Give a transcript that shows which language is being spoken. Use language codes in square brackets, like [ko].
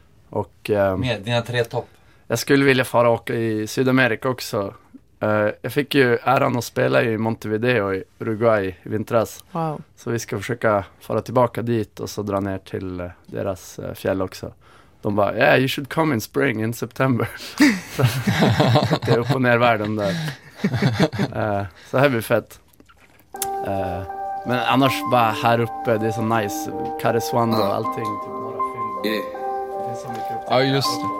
[sv] Och, med dina tre topp. Jag skulle vilja fara och åka i Sydamerika också. Jag fick ju äran att spela i Montevideo i Uruguay i vintras. Wow. Så vi ska försöka fara tillbaka dit och så dra ner till deras fjäll också. De bara, [en] yeah, you should come in spring in September. [sv] Det är upp och ner världen där. Så här blir fett. Men annars bara här uppe, det är så nice. Karesuando och allting. Typ några fynd. Ja, just